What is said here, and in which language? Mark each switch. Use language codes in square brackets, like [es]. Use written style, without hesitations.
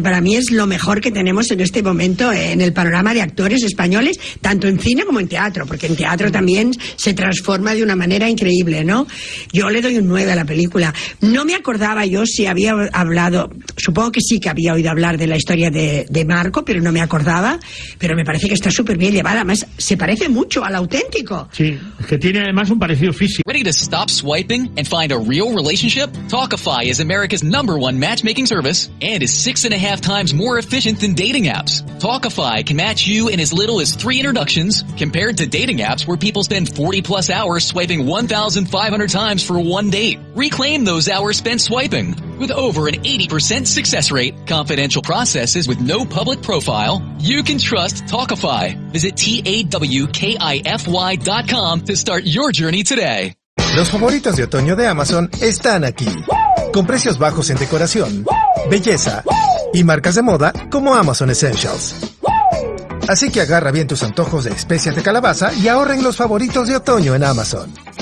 [es] Para mí es lo mejor que tenemos en este momento en el panorama de actores españoles, tanto en cine como en teatro, porque en teatro también se transforma de una manera increíble, ¿no? Yo le doy un 9 a la película. No me acordaba yo si había hablado, supongo que sí que había oído hablar de la historia de Marco, pero no me acordaba, pero me parece que está súper bien llevada. Además, se parece mucho al auténtico. Sí, que tiene además un parecido físico. [en] Ready to stop swiping and find a real relationship? Talkify is America's number one matchmaking service and is 6.5 times more efficient than dating apps. Talkify can match you in as little as 3 introductions compared to dating apps where people spend 40 plus hours swiping 1,500 times for one date. Reclaim those hours spent swiping. With over an 80% success rate, confidential processes with no public profile, you can trust Talkify. Visit TAWKIFY.com to start your journey today. [es] Los favoritos de otoño de Amazon están aquí. Con precios bajos en decoración, belleza y marcas de moda como Amazon Essentials. Así que agarra bien tus antojos de especias de calabaza y ahorren los favoritos de otoño en Amazon.